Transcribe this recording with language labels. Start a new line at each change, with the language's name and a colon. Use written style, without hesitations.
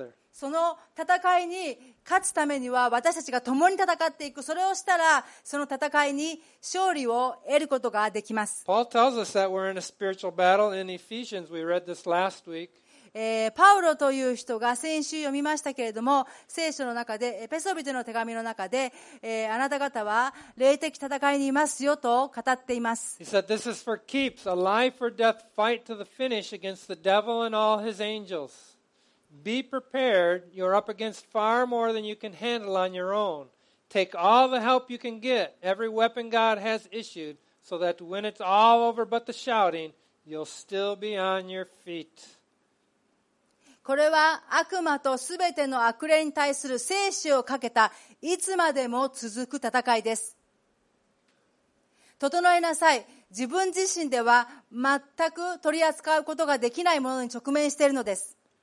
Japanese: その戦いに勝つためには私たちが共に戦っていく。それをしたらその戦いに勝利を得ることができます。
English: Paul tells us that we're in a spiritual battle in Ephesians. We read this last week.
Japanese: パウロという人が先週読みましたけれども、聖書の中でエペソビテの手紙の中で、あなた方は霊的戦いにいますよと語っています。
English: He said this is for keeps, a life or death fight to the finish against the devil and all his angels. Be prepared. You're up against far more than you can handle on your own. Take all the help you can get. Every weapon God has issued, so that when it's all over but the shouting, you'll still be on your feet.
Japanese: これは悪魔とすべての悪霊に対する生死をかけたいつまでも続く戦いです。整えなさい。自分自身では全く取り扱うことができないものに直面しているのです。